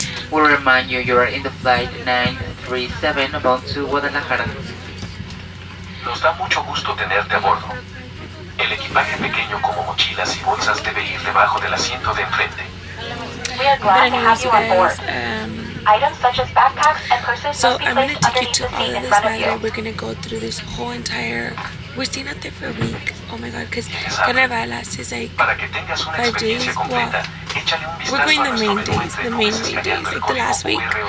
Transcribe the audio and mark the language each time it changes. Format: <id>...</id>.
<en>We'll remind you, you are in the flight 937 about to Guadalajara.</en> <es>Nos da mucho gusto tenerte a bordo. El equipaje pequeño como mochilas y bolsas debe ir debajo del asiento de enfrente.</es> <en>We are glad to have you on board. Items such as backpacks and purses so must be placed underneath the seat in front of you. We're going to go through this whole entire... We're staying out there for a week. Oh my God, because carnaval lasts is like 5 days. Well, we're going the main days, like the last week.</en>